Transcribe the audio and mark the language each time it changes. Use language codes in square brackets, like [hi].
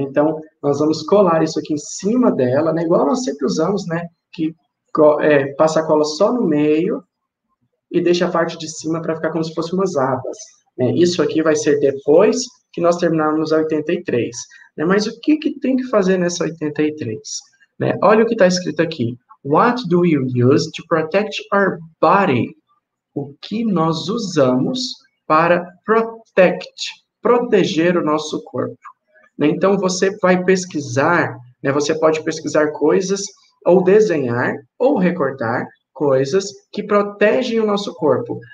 [pt] Então, nós vamos colar isso aqui em cima dela, né, igual nós sempre usamos, né, que passa a cola só no meio e deixa a parte de cima para ficar como se fosse umas abas. Isso aqui vai ser depois que nós terminarmos a 83. Mas o que que tem que fazer nessa 83? Olha o que está escrito aqui. [en] What do you use to protect our body? [pt] O que nós usamos para proteger o nosso corpo? Então, você vai pesquisar, você pode pesquisar coisas, ou desenhar, ou recortar coisas que protegem o nosso corpo.